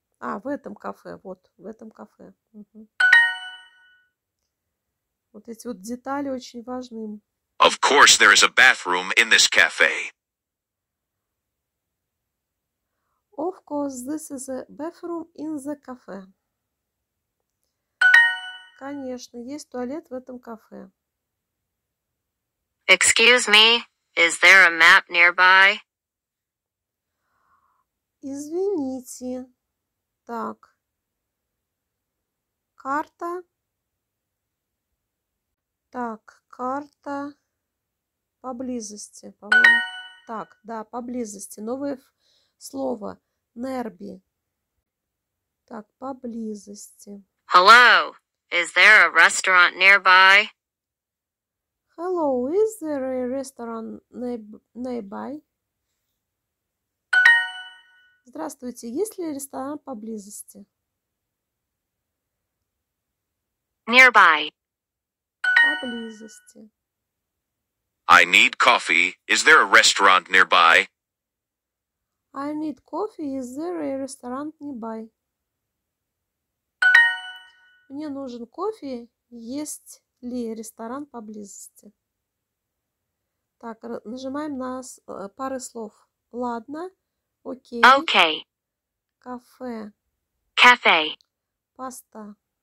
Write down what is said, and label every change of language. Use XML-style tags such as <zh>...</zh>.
<ru>А, в этом кафе, вот, в этом кафе. Угу. Вот эти вот детали очень важны.</ru> <en>Of course, there is a bathroom in this cafe. Of course, this is a bathroom in the cafe.</en> <ru>Конечно, есть туалет в этом кафе.</ru> <en>Excuse me, is there a map nearby?</en> <ru>Извините. Так. Карта. Так, карта. Поблизости, по-моему. Так, да, поблизости. Новое слово. Нерби. Так, поблизости.</ru> <en>Hello, is there a restaurant nearby? Hello, is there a restaurant nearby?</en> <ru>Здравствуйте, есть ли ресторан поблизости?</ru> <en>Nearby.</en> <ru>Поблизости.</ru> <en>I need coffee. Is there a restaurant nearby? I need coffee. Is there a restaurant nearby?</en> <ru>Мне нужен кофе. Есть ли ресторан поблизости? Так, нажимаем на пары слов. Ладно, окей.</ru> <en>Okay.</en> <ru>Кафе.</ru> <en>Cafe.</en> <ru>Паста.</ru>